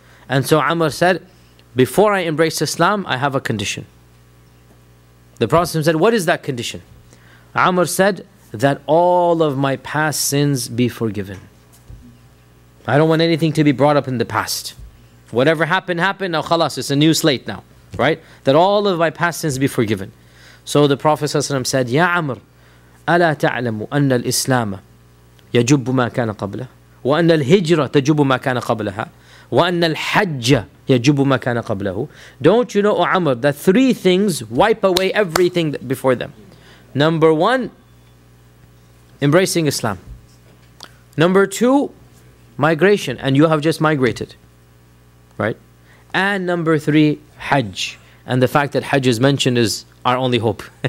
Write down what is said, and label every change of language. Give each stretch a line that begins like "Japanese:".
English: And so Amr said, before I embrace Islam, I have a condition. The Prophet said, what is that condition? Amr said, that all of my past sins be forgiven. I don't want anything to be brought up in the past. Whatever happened, happened. Now khalas, it's a new slate now. Right? That all of my past sins be forgiven. So the Prophet ﷺ said,
Arabic: Ya Amr, أَلَا تَعْلَمُ أَنَّ الْإِسْلَامَ يَجُبُّ مَا كَانَ قَبْلَهَا وَأَنَّ الْهِجْرَةَ تَجُبُّ مَا كَانَ قَبْلَهَا وَأَنَّ الْحَجَّ يَجُبُّ مَا كَانَ قَبْلَهُ.
English: Don't you know, O Amr, that three things wipe away everything before them. Number one, embracing Islam. Number two, migration. And you have just migrated. Right? And number three, Hajj. And the fact that Hajj is mentioned is our only hope.